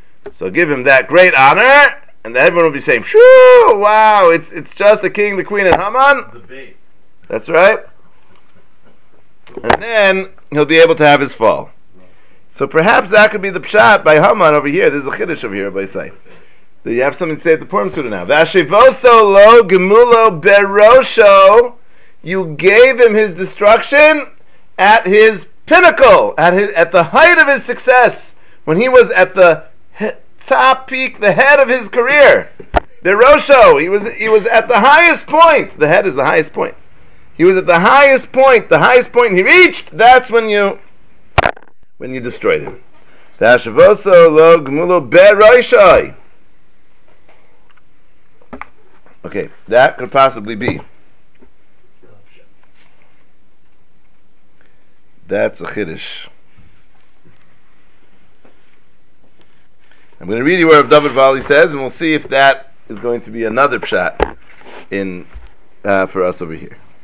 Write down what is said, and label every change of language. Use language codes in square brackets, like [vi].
[en] So give him that great honor, and then everyone will be saying, phew, wow, it's just the king, the queen, and Haman. The bait. That's right. And then he'll be able to have his fall. So perhaps that could be the pshat by Haman over here. There's a chiddush over here, by say. Do you have something to say at the Purim Suda now? [he] Vashivoso lo gemulo berosho. [en] You gave him his destruction at his pinnacle, at the height of his success, when he was at the top peak, the head of his career. Berosho, he was at the highest point. The head is the highest point. He was at the highest point. The highest point he reached, that's when you destroyed him. [he] Vashivoso lo gemulo beroshoi. [en] Okay, that could possibly be. That's a chiddush. I'm going to read you where Rav David Vali says, and we'll see if that is going to be another pshat in for us over here.